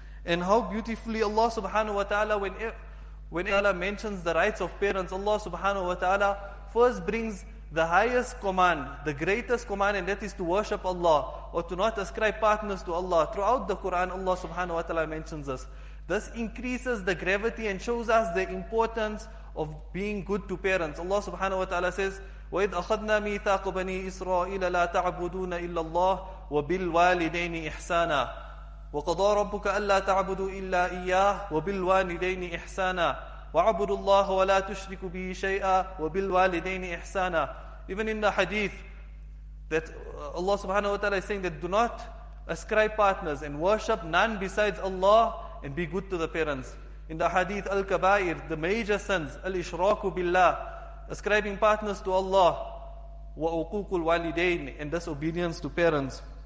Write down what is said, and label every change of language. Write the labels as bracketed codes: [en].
[en] And how beautifully Allah subhanahu wa ta'ala, when Allah mentions the rights of parents, Allah subhanahu wa ta'ala first brings the highest command, the greatest command, and that is to worship Allah or to not ascribe partners to Allah. Throughout the Quran, Allah subhanahu wa ta'ala mentions this. This increases the gravity and shows us the importance of being good to parents. Allah subhanahu wa ta'ala says, [ar] وَإِذْ أَخَذْنَا مِيثَاقُ بَنِي إِسْرَائِيلَ لَا تَعْبُدُونَ إِلَّا اللَّهَ وَبِالْوَالِدَيْنِ إِحْسَانًا وَقَضَى رَبُّكَ أَلَّا تَعْبُدُوا إِلَّا إِيَّاهُ وَبِالْوَالِدَيْنِ إِحْسَانًا وَعَبُدُوا اللَّهَ وَلَا تُشْرِكُ بِهِ شَيْئًا وَبِالْوَالِدَيْنِ إِحْسَانًا. [en] Even in the hadith that Allah subhanahu wa ta'ala is saying that do not ascribe partners and worship none besides Allah and be good to the parents. In the hadith al-kabair, the major sins, al-ishraku billah, ascribing partners to Allah, wa'uququ al-walidain, and disobedience to parents.